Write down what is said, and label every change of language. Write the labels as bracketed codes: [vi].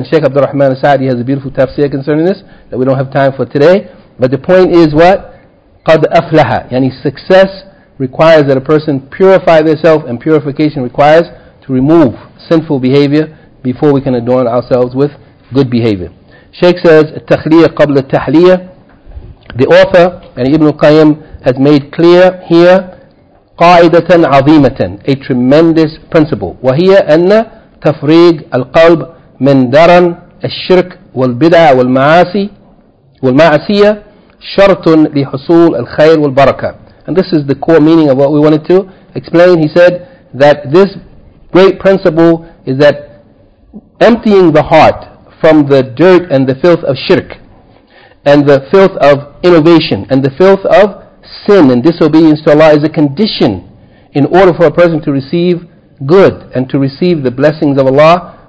[en] And Shaykh Abdul Rahman Al-Sa'di has a beautiful tafsir concerning this that we don't have time for today. But the point is what? [ar] قَدْ أَفْلَحَ, [en] yani success requires that a person purify themselves, and purification requires to remove sinful behavior before we can adorn ourselves with good behavior. Shaykh says, [ar] التخليه قبل التحليه. [en] The author, and Ibn Qayyim, has made clear here [ar] قاعدة عظيمة, [en] a tremendous principle. [ar] وهي أن تفريق القلب من درن الشرك والبدع والمعاصي والمعصية شرط لحصول الخير والبركة. [en] And this is the core meaning of what we wanted to explain. He said that this great principle is that emptying the heart from the dirt and the filth of shirk and the filth of innovation and the filth of sin and disobedience to Allah is a condition in order for a person to receive good and to receive the blessings of Allah.